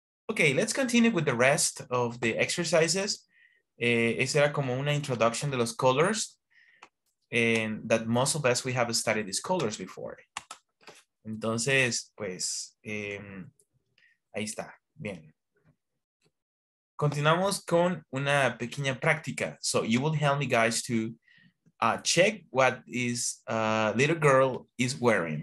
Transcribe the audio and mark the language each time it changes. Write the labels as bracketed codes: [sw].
[en] Okay, let's continue with the rest of the exercises. [es] Esa era como una introduction de los colors. [en] And that most of us, we have studied these colors before. [es] Entonces, pues, ahí está. Bien. Continuamos con una pequeña práctica. [en] So you will help me guys to check what is a little girl is wearing.